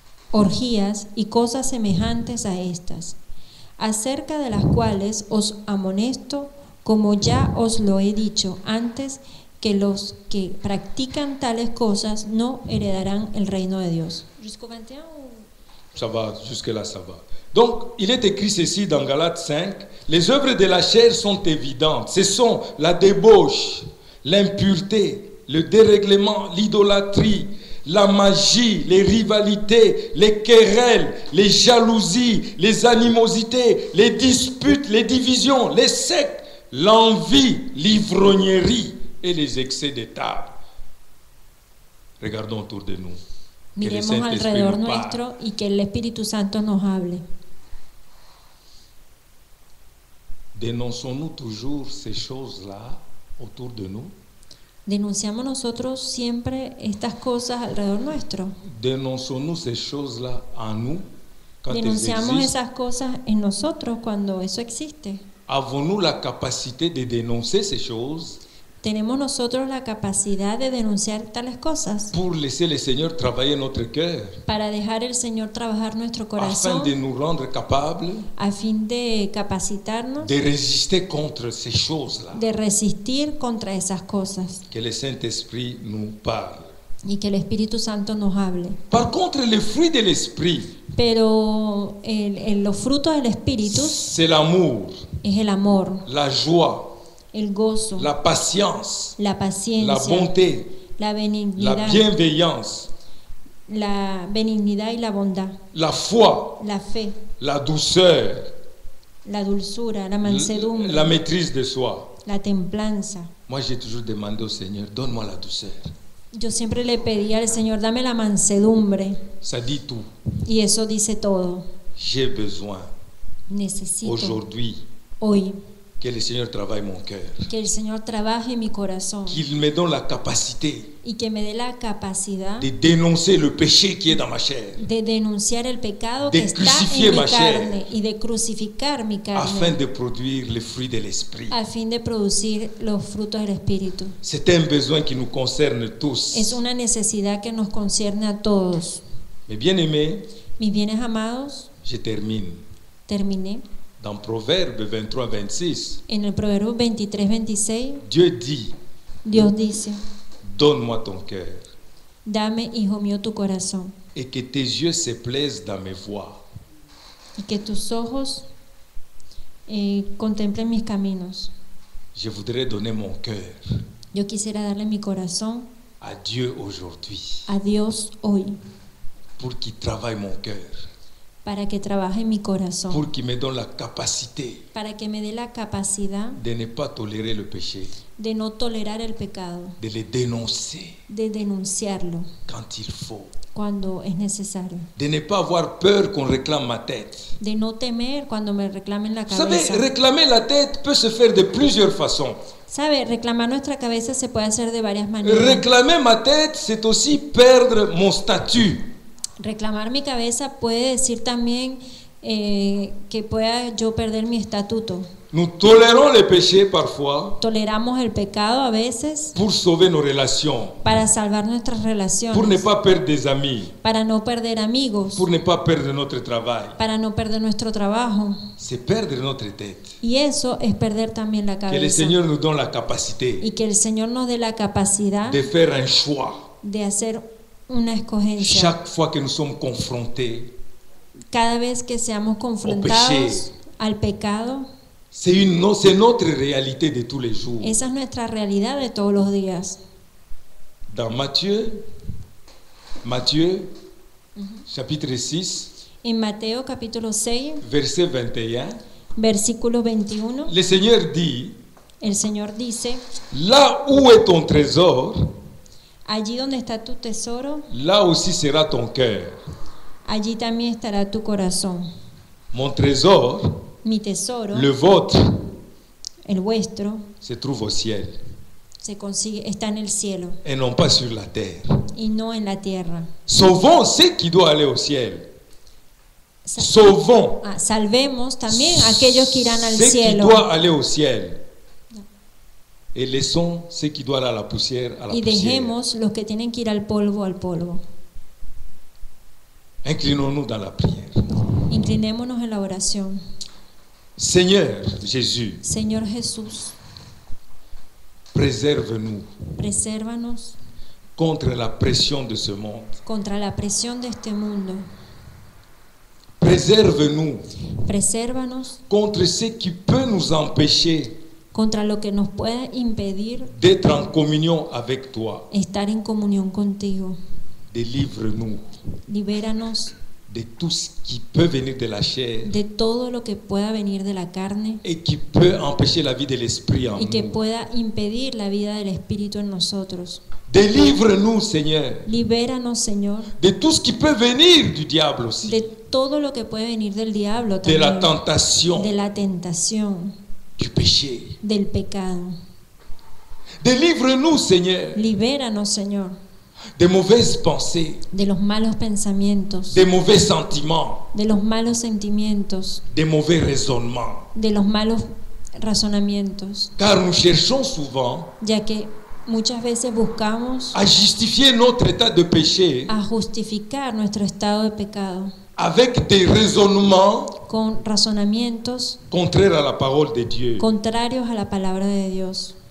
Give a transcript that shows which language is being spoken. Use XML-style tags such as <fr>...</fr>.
<es>orgías y cosas semejantes a estas, acerca de las cuales os amonesto, como ya os lo he dicho antes, que los que practican tales cosas no heredarán el reino de Dios.</es> <fr>Jusqu'au 21 ou... Ça va, jusque là ça va. Donc, il est écrit ceci dans Galates 5, les œuvres de la chair sont évidentes. Ce sont la débauche, l'impureté, le dérèglement, l'idolâtrie, la magie, les rivalités, les querelles, les jalousies, les animosités, les disputes, les divisions, les sectes, l'envie, l'ivrognerie et les excès d'état. Regardons autour de nous.</fr> <es>Miremos alrededor nuestro y que el Espíritu Santo nos hable.</es> <fr>Dénonçons-nous toujours ces choses-là autour de nous?</fr> <es>¿Denunciamos nosotros siempre estas cosas alrededor nuestro? ¿Denunciamos esas cosas en nous quand ¿Denunciamos esas cosas en nosotros cuando eso existe?</es> <fr>¿Avons-nous la capacité de dénoncer ces choses?</fr> <es>¿Tenemos nosotros la capacidad de denunciar tales cosas?</es> <fr>Pour laisser le Seigneur travailler notre cœur.</fr> <es>Para dejar el Señor trabajar nuestro corazón.</es> <fr>Afin de nous rendre capables.</fr> <es>A fin de capacitarnos.</es> <fr>De résister contre ces choses-là.</fr> <es>De resistir contra esas cosas.</es> <fr>Que le Saint-Esprit nous parle.</fr> <es>Y que el Espíritu Santo nos hable.</es> <fr>Par contre, les fruits de l'esprit.</fr> <es>Pero los frutos del Espíritu.</es> <fr>C'est l'amour.</fr> <es>Es el amor.</es> <fr>La joie.</fr> <es>El gozo,</es> <fr>la patience,</fr> <es>la paciencia,</es> <fr>la bonté,</fr> <es>la benignidad,</es> <fr>la bienveillance,</fr> <es>la benignidad y la bondad,</es> <fr>la foi,</fr> <es>la fe,</es> <fr>la douceur,</fr> <es>la dulzura, la mansedumbre,</es> <fr>la maîtrise de soi,</fr> <es>la templanza.</es> <fr>Moi j'ai toujours demandé au Seigneur, donne-moi la douceur.</fr> <es>Yo siempre le pedí al Señor, dame la mansedumbre.</es> <fr>Ça dit tout.</fr> <es>Y eso dice todo.</es> <fr>J'ai besoin.</fr> <es>Necesito.</es> <fr>Aujourd'hui.</fr> <es>Hoy. Que el Señor trabaje mi cœur. Que el Señor trabaje mi corazón.</es> <fr>Qu'il me donne la capacité.</fr> <es>Y que me dé la capacidad.</es> <fr>De dénoncer le péché qui est dans ma chair.</fr> <es>De denunciar el pecado de que está en mi carne y de crucificar mi carne.</es> <fr>Afin de produire les fruits de l'esprit.</fr> <es>A fin de producir los frutos del espíritu.</es> <fr>C'est un besoin qui nous concerne tous.</fr> <es>Es una necesidad que nos concierne a todos.</es> <fr>Mes bien-aimés.</fr> <es>Mis bienes amados.</es> <fr>Je termine.</fr> <es>Terminé.</es> <fr>Dans Proverbe 23-26.</fr> <es>En el Proverbio 23-26.</es> <fr>Dieu dit.</fr> <es>Dios dice.</es> <fr>Donne-moi ton cœur.</fr> <es>Dame, hijo mío, tu corazón.</es> <fr>Et que tes yeux se plaisent dans mes voies.</fr> <es>Y que tus ojos contemplen mis caminos.</es> <fr>Je voudrais donner mon cœur.</fr> <es>Yo quisiera darle mi corazón.</es> <fr>À Dieu aujourd'hui.</fr> <es>A Dios hoy.</es> <fr>Pour qu'il travaille mon cœur.</fr> <es>Para que trabaje mi corazón.</es> <fr>Pour qu'il me donne la capacité.</fr> <es>Para que me dé la capacidad.</es> <fr>De ne pas tolérer le péché.</fr> <es>De no tolerar el pecado.</es> <fr>De le dénoncer.</fr> <es>De denunciarlo.</es> <fr>Quand il faut.</fr> <es>Cuando es necesario.</es> <fr>De ne pas avoir peur qu'on réclame ma tête.</fr> <es>De no temer cuando me reclamen la cabeza.</es> <fr>Sabes, reclamer la tête peut se faire de plusieurs façons.</fr> <es>Sabe, reclamar nuestra cabeza se puede hacer de varias maneras.</es> <fr>Reclamer ma tête, c'est aussi perdre mon statut.</fr> <es>Reclamar mi cabeza puede decir también que pueda yo perder mi estatuto.</es> <fr>Nous tolérons les péchés parfois.</fr> <es>Toleramos el pecado a veces.</es> <fr>Pour sauver nos relations.</fr> <es>Para salvar nuestras relaciones.</es> <fr>Pour ne pas perdre des amis.</fr> <es>Para no perder amigos.</es> <fr>Pour ne pas perdre notre travail.</fr> <es>Para no perder nuestro trabajo.</es> <fr>C'est perdre notre tête.</fr> <es>Y eso es perder también la cabeza.</es> <fr>Que le Seigneur nous donne la capacité.</fr> <es>Y que el Señor nos dé la capacidad.</es> <fr>De faire un choix.</fr> <es>De hacer una escogencia.</es> <fr>Chaque fois que nous sommes confrontés,</fr> <es>cada vez que seamos confrontados</es> <fr>au péché,</fr> <es>al pecado,</es> <fr>c'est notre réalité de tous les jours.</fr> <es>Esa es nuestra realidad de todos los días.</es> <fr>Dans Matthieu, chapitre 6,</fr> <es>en Mateo capítulo 6,</es> <fr>verset 21,</fr> <es>versículo 21,</es> <fr>le Seigneur dit,</fr> <es>el Señor dice,</es> <fr>là où est ton trésor.</fr> <es>Allí donde está tu tesoro,</es> <fr>là aussi sera ton cœur.</fr> <es>Allí también estará tu corazón.</es> <fr>Mon trésor,</fr> <es>mi tesoro,</es> <fr>le vôtre,</fr> <es>el vuestro,</es> <fr>se trouve au ciel.</fr> <es>Se consigue, está en el cielo.</es> <fr>Et non pas sur la terre.</fr> <es>Y no en la tierra.</es> <fr>Sauvons ceux qui doivent aller au ciel. Sauvons.</fr> <es>Salvemos también aquellos que irán al cielo.</es> <fr>Ceux qui doivent aller au ciel. Et laissons ceux qui doivent aller à la poussière à la poussière.</fr> <es>Y dejemos los que tienen que ir al polvo al polvo.</es> <fr>Inclinons-nous dans la prière.</fr> <es>Inclinémonos en la oración.</es> <fr>Seigneur Jésus.</fr> <es>Señor Jesús.</es> <fr>Préserve-nous.</fr> <es>Presérvanos.</es> <fr>Contre la pression de ce monde.</fr> <es>Contra la presión de este mundo.</es> <fr>Préserve-nous.</fr> <es>Presérvanos.</es> <fr>Contre ce qui peut nous empêcher.</fr> <es>Contra lo que nos pueda impedir</es> <fr>d'être en communion avec toi,</fr> <es>estar en comunión contigo,</es> <fr>Délivre-nous.</fr> <es>Libéranos.</es> <fr>De tout ce qui peut venir de la chair.</fr> <es>De todo lo que pueda venir de la carne.</es> <fr>Et qui peut empêcher la vie de l'esprit en nous.</fr> <es>Y que pueda impedir la vida del espíritu en nosotros.</es> <fr>Délivre-nous, Seigneur.</fr> <es>Libéranos, Señor.</es> <fr>De tout ce qui peut venir du diable aussi.</fr> <es>De todo lo que puede venir del diablo también. De la tentación. De la tentación.</es> <fr>Du péché.</fr> <es>Del pecado.</es> <fr>Délivre-nous, Seigneur.</fr> <es>Libéranos, Señor.</es> <fr>Des mauvaises pensées,</fr> <es>de los malos pensamientos,</es> <fr>des mauvais sentiments,</fr> <es>de los malos sentimientos,</es> <fr>des mauvais raisonnements,</fr> <es>de los malos razonamientos.</es> <fr>Car nous cherchons souvent,</fr> <es>ya que muchas veces buscamos,</es> <fr>à justifier notre état de péché,</fr> <es>a justificar nuestro estado de pecado,</es> <fr>avec des raisonnements,</fr> <es>con razonamientos,</es> <fr>contraires à la parole de Dieu,</fr> <es>contrarios a la palabra de Dios.</es>